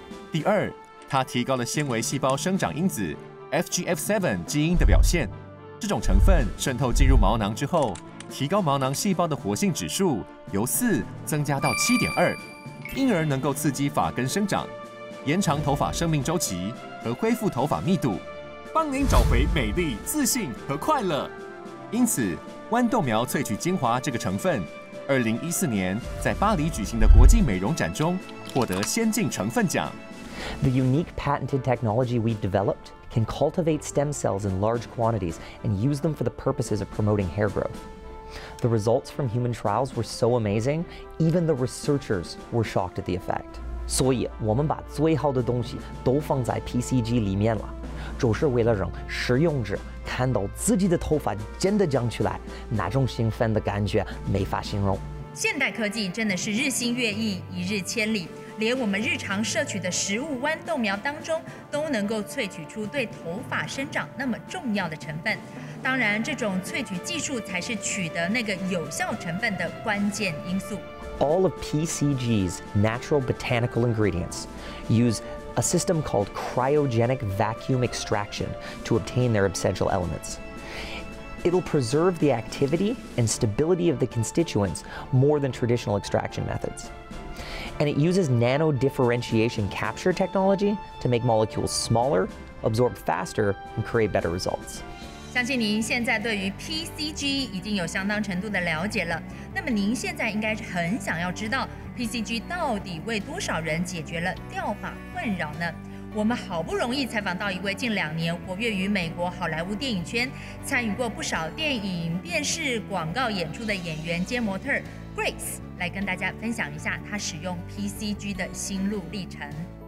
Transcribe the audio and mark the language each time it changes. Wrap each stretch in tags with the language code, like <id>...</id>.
<zh>第二，它提高了纤维细胞生长因子 FGF7 基因的表现，这种成分渗透进入毛囊之后，提高毛囊细胞的活性指数由4增加到 7.2， 因而能够刺激发根生长，延长头发生命周期和恢复头发密度，帮您找回美丽、自信和快乐。因此，豌豆苗萃取精华这个成分2014年在巴黎举行的国际美容展中获得先进成分奖。</zh> <en>The unique patented technology we've developed can cultivate stem cells in large quantities and use them for the purposes of promoting hair growth. The results from human trials were so amazing, even the researchers were shocked at the effect.</en> <zh>所以我们把最好的东西都放在 PCG 里面了，就是为了让使用者看到自己的头发真的长出来，那种兴奋的感觉没法形容。现代科技真的是日新月异，一日千里，连我们日常摄取的食物豌豆苗当中都能够萃取出对头发生长那么重要的成分。当然，这种萃取技术才是取得那个有效成分的关键因素。</zh> <en>All of PCG's natural botanical ingredients use a system called cryogenic vacuum extraction to obtain their essential elements. It'll preserve the activity and stability of the constituents more than traditional extraction methods. And it uses nano differentiation capture technology to make molecules smaller, absorb faster, and create better results.</en> <zh>相信您现在对于 PCG 已经有相当程度的了解了，那么您现在应该是很想要知道 PCG 到底为多少人解决了掉发困扰呢？我们好不容易采访到一位近两年活跃于美国好莱坞电影圈，参与过不少电影、电视、广告演出的演员兼模特 Grace， 来跟大家分享一下他使用 PCG 的心路历程。</zh>